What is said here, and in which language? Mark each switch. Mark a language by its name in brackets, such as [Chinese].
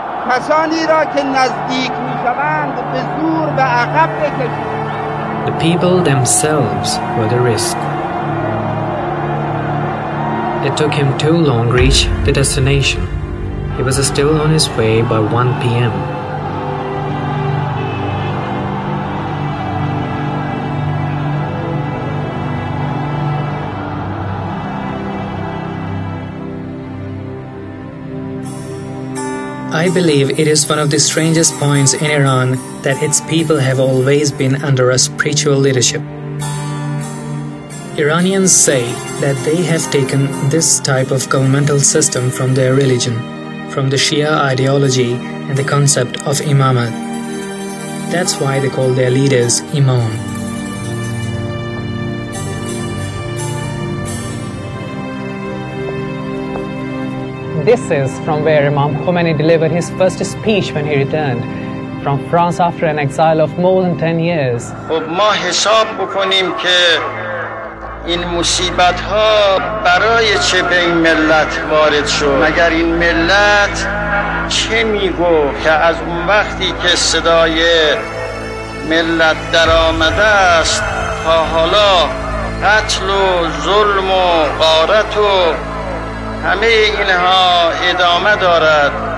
[Persian] کسانی را که نزدیک می‌شوند به زور به عقب بکشید. [English] The people themselves were the risk. It took him too long to reach the destination. He was still on his way by 1 p.m. I believe it is one of the strangest points in Iran that its people have always been under a spiritual leadership. Iranians say that they have taken this type of governmental system from their religion, from the Shia ideology and the concept of imamah. That's why they call their leaders imam. This is from where Imam Khomeini delivered his first speech when he returned from France after an exile of more than 10 years. [Persian] خب ما حساب بکنیم که این مصیبت ها برای چه به این ملت وارد شد. مگر این ملت چه میگو که از اون وقتی که صدای ملت در آمده است تا حالا قتل و ظلم و غارت و همه اینها ادامه دارد.